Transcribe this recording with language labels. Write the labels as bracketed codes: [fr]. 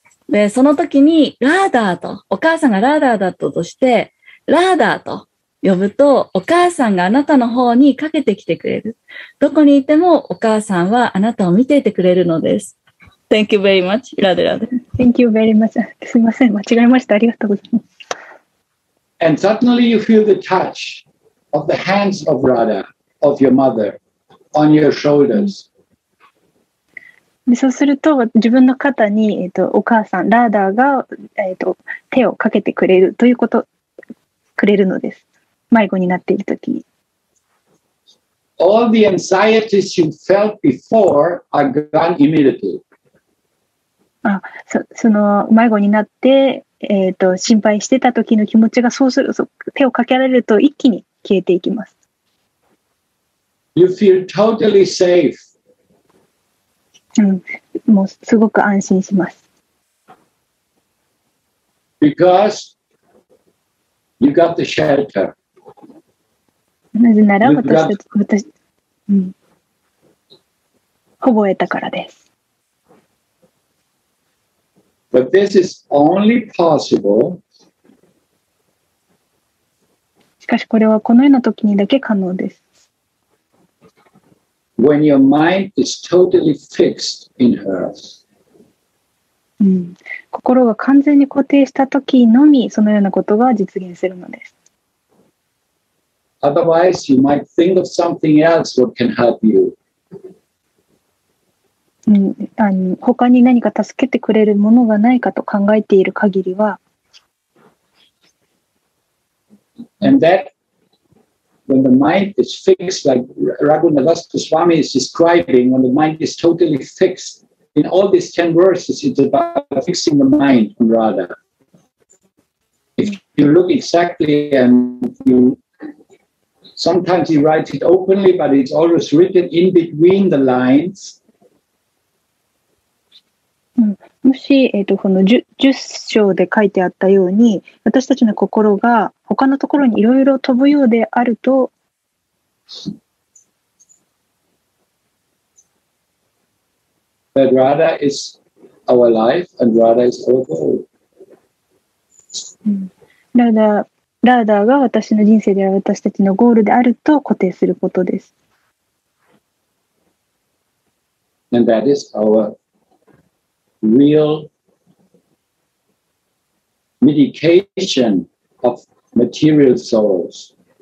[ja] で、その時に、Radha と、お母さんが Radha だったとして、Radha と呼ぶとお母さんがあなたの方にかけてきてくれる。どこにいてもお母さんはあなたを見ていてくれるのです。 [en] Thank you very much. ラデラデ。 Thank you very much. [ja] すみません、間違えました。ありがとうございます。 [en] And suddenly you feel the touch of the hands of Radha, of your mother, on your shoulders. [ja] で、そうすると自分の肩に、お母さん、ラーダーが、手をかけてくれるということくれるのです。迷子になっているときに。 [en] All the anxieties you felt before are gone immediately. [ja] その迷子になって、心配してた時の気持ちがそうする、手をかけられると一気に消えていきます。 [en] You feel totally safe. [ja] もうすごく安心します。 [en] Because you got the shelter. [ja] なぜなら私、保護を得たからです。 [en] But this is only possible. [ja] しかしこれはこのような時にだけ可能です。 [en] When your mind is totally fixed in her. [ja] 心が完全に固定した時のみそのようなことが実現するのです。 [en] Otherwise, you might think of something else that can help you. [ja] 他に何か助けてくれるものがないかと考えている限りは、 [en] And that, when the mind is fixed, like Raghunadas Goswami is describing, when the mind is totally fixed, in all these ten verses, it's about fixing the mind on Radha. If you look exactly and you, sometimes you write it openly, but it's always written in between the lines. [ja] もし、この 10章で書いてあったように私たちの心が他のところにいろいろ飛ぶようであると [en] Radha is our life and Radha is our goal. [ja] Radha が私の人生である私たちのゴールであると固定することです。 [en] And that is ourreal medication of material souls.